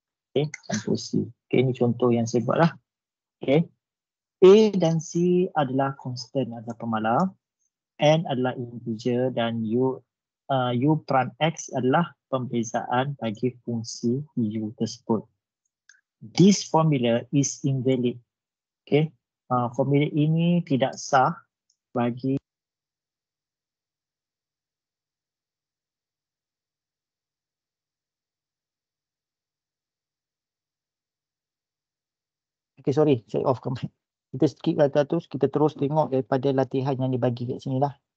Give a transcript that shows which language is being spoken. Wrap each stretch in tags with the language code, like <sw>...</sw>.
<ms>Okay, campur C. Okay, ni contoh yang saya buatlah. Okay. A dan C adalah constant atau pemalar. N adalah integer dan U prime X adalah pembezaan bagi fungsi U tersebut.</ms> <en>This formula is invalid. Okay.</en> <ms>Formula ini tidak sah bagi. Okay,</ms> <en>sorry,</en> <ms>saya</ms> <en>off comment.</en> <ms>Kita skip latihan tu, kita terus tengok daripada latihan yang dibagi kat sini lah.</ms>